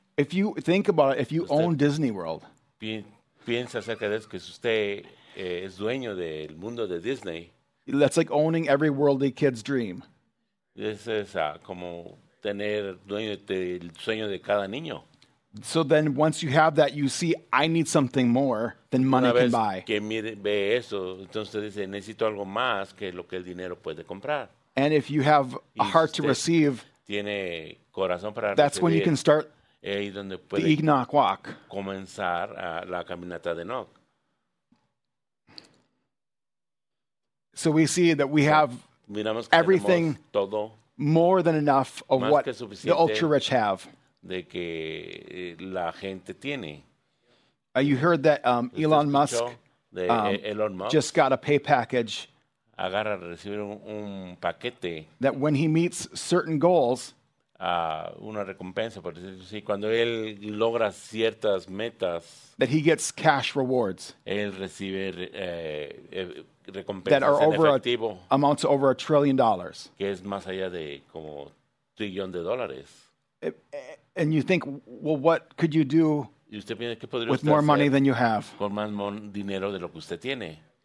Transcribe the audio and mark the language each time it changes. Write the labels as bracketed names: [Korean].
[English] If you think about it, if you own Disney World. [Spanish] Piensa acerca de eso, que si usted es dueño del mundo de Disney. [English] That's like owning every worldly kid's dream. [Spanish] Es esa, como tener dueño del sueño de cada niño. [English] So then once you have that, you see, I need something more than money can buy. [Spanish] Que mire, ve eso, entonces dice, necesito algo más que lo que el dinero puede comprar. [English] And if you have a heart to receive, [Spanish] tiene corazón para [English] that's [Spanish] recibir, [English] when you can start [Spanish] donde puede [English] the Enoch walk. [Spanish] Comenzar a la caminata de Enoch. [English] So we see that we have [Spanish] miramos que [English] everything [Spanish] todo, [English] more than enough of what [Spanish] suficiente. [English] The ultra-rich have. [Spanish] De que la gente tiene. [English] You heard that Elon Musk, Elon Musk just got a pay package. [Spanish] Agarra recibir un paquete. [English] That when he meets certain goals, [Spanish] una recompensa, por decirlo así, cuando él logra ciertas metas, [English] that he gets cash rewards. [Spanish] Él recibe recompensas en efectivo. [English] Amounts to over $1 trillion. [Spanish] Que es más allá de como trillón de dólares. [English] And you think, well, what could you do with more money than you have? [Spanish] Con más dinero de lo que usted tiene.